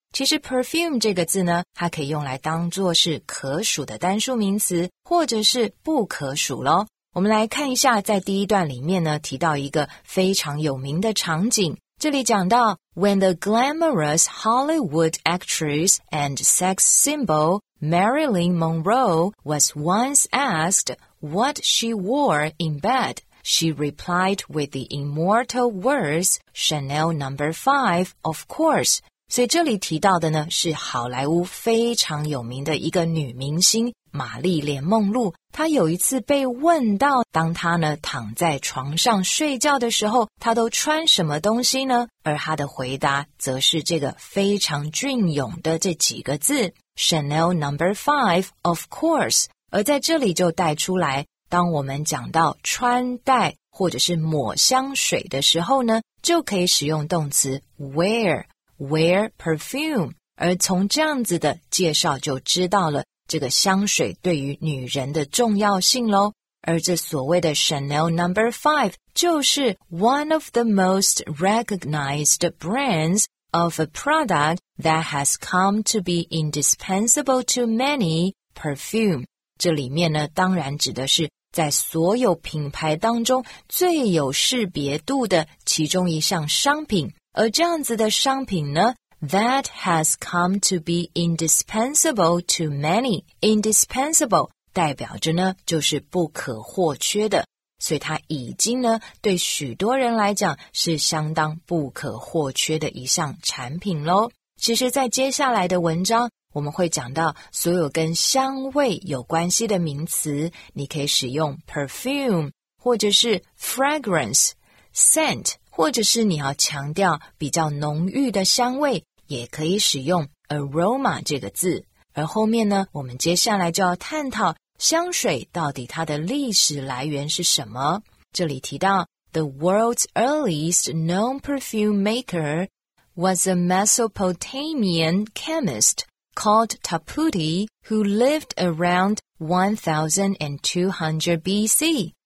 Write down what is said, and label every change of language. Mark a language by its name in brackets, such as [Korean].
[Chinese] 其实 perfume 这个字呢，它可以用来当作是可数的单数名词，或者是不可数咯。我们来看一下，在第一段里面呢，提到一个非常有名的场景。这里讲到 [English] When the glamorous Hollywood actress and sex symbol Marilyn Monroe was once asked what she wore in bed, she replied with the immortal words Chanel No. 5, of course. [Chinese] 所以这里提到的呢，是好莱坞非常有名的一个女明星玛丽莲梦露，她有一次被问到，当她呢躺在床上睡觉的时候，她都穿什么东西呢？而她的回答则是这个非常隽永的这几个字 Chanel No. [English] 5, of course。 [Chinese] 而在这里就带出来，当我们讲到穿戴或者是抹香水的时候呢，就可以使用动词 wear perfume。而从这样子的介绍就知道了这个香水对于女人的重要性咯。而这所谓的 Chanel No. [English] 5 [Chinese] 就是 [English] one of the most recognized brands of a product that has come to be indispensable to many perfume。 [Chinese] 这里面呢，当然指的是在所有品牌当中最有识别度的其中一项商品。而这样子的商品呢， [English] That has come to be indispensable to many. [Chinese] Indispensable 代表着呢，就是不可或缺的，所以它已经呢，对许多人来讲是相当不可或缺的一项产品咯。其实在接下来的文章，我们会讲到所有跟香味有关系的名词，你可以使用 perfume 或者是 fragrance, scent, 或者是你要强调比较浓郁的香味，也可以使用 aroma 这个字。而后面呢，我们接下来就要探讨香水到底它的历史来源是什么。这里提到 [English] The world's earliest known perfume maker was a Mesopotamian chemist called Tipputi who lived around 1200 BC。